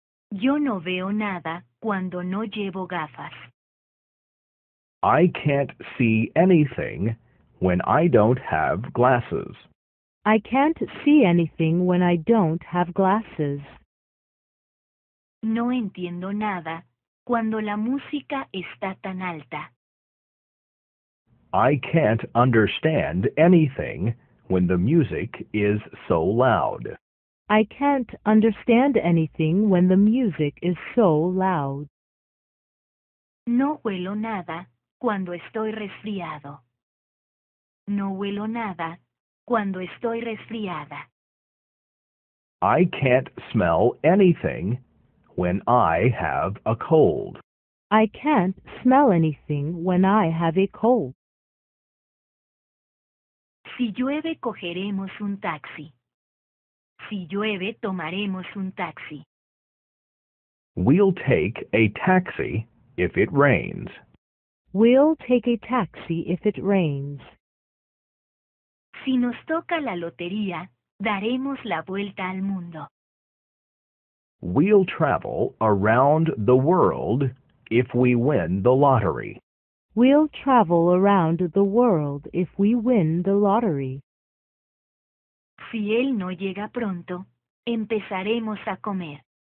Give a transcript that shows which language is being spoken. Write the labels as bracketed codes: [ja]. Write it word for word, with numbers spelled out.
[es] Yo no veo nada cuando no llevo gafas. [en] I can't see anything when I don't have glasses. I can't see anything when I don't have glasses. [es] No entiendo nada cuando la música está tan alta. [en] I can't understand anything when the music is so loud. I can't understand anything when the music is so loud. [es] No huelo nada cuando estoy resfriado. No huelo nada cuando estoy resfriada. [en] I can't smell anything when I have a cold. I can't smell anything when I have a cold. [es] Si llueve, cogeremos un taxi. Si llueve, tomaremos un taxi. [en] We'll take a taxi if it rains. We'll take a taxi if it rains. [es] Si nos toca la lotería, daremos la vuelta al mundo. [en] We'll travel around the world if we win the lottery. We'll travel around the world if we win the lottery. [es] Si él no llega pronto, empezaremos a comer.